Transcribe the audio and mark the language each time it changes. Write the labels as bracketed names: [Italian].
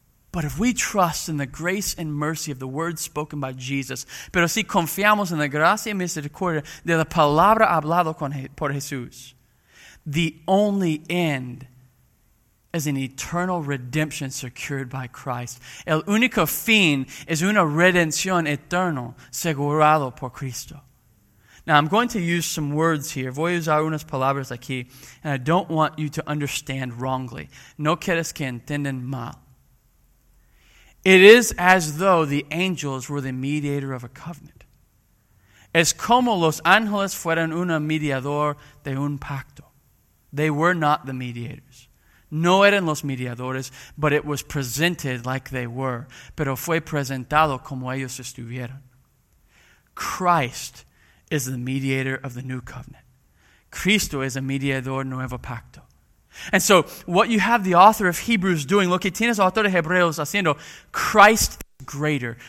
[English] But if we trust in the grace and mercy of the words spoken by Jesus, [Spanish] pero si confiamos en la gracia y misericordia de la palabra hablado por Jesús, [English] the only end is an eternal redemption secured by Christ. [Spanish] El único fin es una redención eterna asegurado por Cristo. [English] Now, I'm going to use some words here. [Spanish] Voy a usar unas palabras aquí, [English] and I don't want you to understand wrongly. [Spanish] No quieres que entiendan mal. [English] It is as though the angels were the mediator of a covenant. [Spanish] Es como los ángeles fueran un mediador de un pacto. [English] They were not the mediators. [Spanish] No eran los mediadores, [English] but it was presented like they were. [Spanish] Pero fue presentado como ellos estuvieron. [English] Christ is the mediator of the new covenant. [Spanish] Cristo es el mediador nuevo pacto. [English] And so, what you have the author of Hebrews doing, [Spanish] lo que tienes el autor de Hebreos haciendo, [English] Christ is greater.